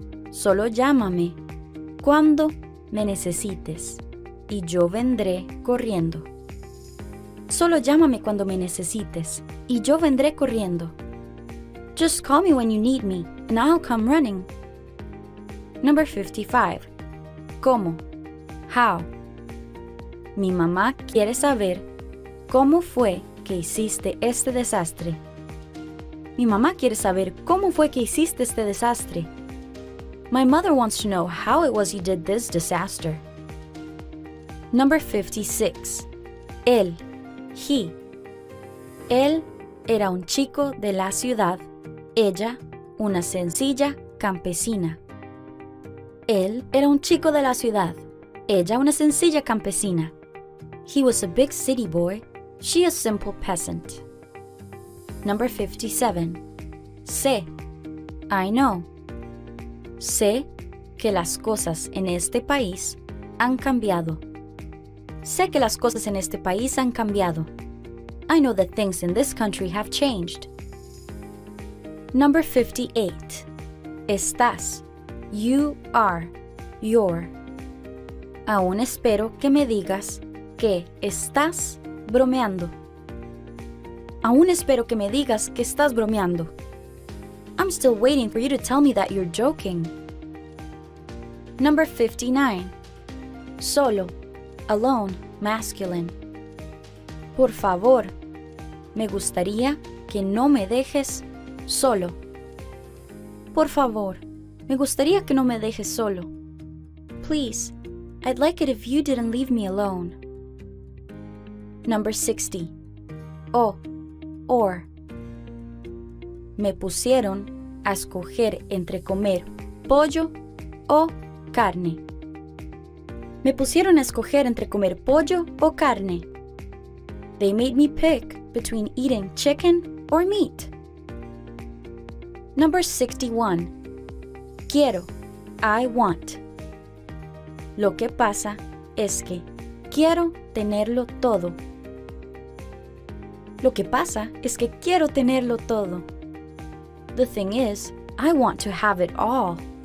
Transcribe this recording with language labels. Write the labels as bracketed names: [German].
[Spanish] Solo llámame cuando me necesites y yo vendré corriendo. Solo llámame cuando me necesites y yo vendré corriendo. [English] Just call me when you need me and I'll come running. Number 55. ¿Cómo? How? [Spanish] Mi mamá quiere saber cómo fue que hiciste este desastre. Mi mamá quiere saber cómo fue que hiciste este desastre. [English] My mother wants to know how it was you did this disaster. Number 56. Él. He. [Spanish] Él era un chico de la ciudad. Ella, una sencilla campesina. Él era un chico de la ciudad. Ella, una sencilla campesina. [English] He was a big city boy, she a simple peasant. Number 57. Sé. I know. [Spanish] Sé que las cosas en este país han cambiado. Sé que las cosas en este país han cambiado. [English] I know that things in this country have changed. Number 58. Estás. You are. You're. [Spanish] Aún espero que me digas que estás bromeando. Aún espero que me digas que estás bromeando. [English] I'm still waiting for you to tell me that you're joking. Number 59. Solo. Alone. Masculine. [Spanish] Por favor, me gustaría que no me dejes solo. Por favor, me gustaría que no me dejes solo. [English] Please, I'd like it if you didn't leave me alone. Number 60. Oh, or. [Spanish] Me pusieron a escoger entre comer pollo o carne. Me pusieron a escoger entre comer pollo o carne. [English] They made me pick between eating chicken or meat. Number 61. Quiero. I want. [Spanish] Lo que pasa es que quiero tenerlo todo. Lo que pasa es que quiero tenerlo todo. [English] The thing is, I want to have it all.